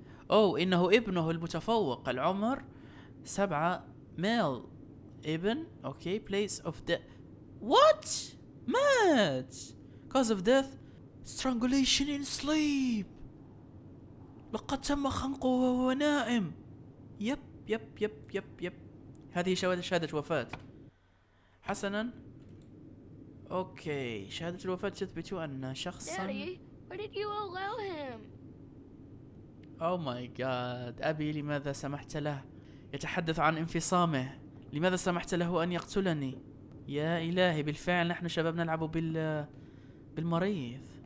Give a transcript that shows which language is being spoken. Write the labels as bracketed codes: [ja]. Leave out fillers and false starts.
[ar] أوه، إنه ابنه المتفوق العمر 7 ميل ابن. [en] Okay, place of death. What? Mad. Cause of death. Strangulation in sleep. [ar] لقد تم خنقه وهو نائم. يب. هذه شهادة وفاة. حسنا. أوكي، شهادة الوفاة تثبت أن شخصا. [en] Daddy, why did you allow him? Oh my god. [ar] أبي، لماذا سمحت له؟ يتحدث عن انفصامه. لماذا سمحت له أن يقتلني؟ يا إلهي، بالفعل نحن شباب نلعب بالمريض.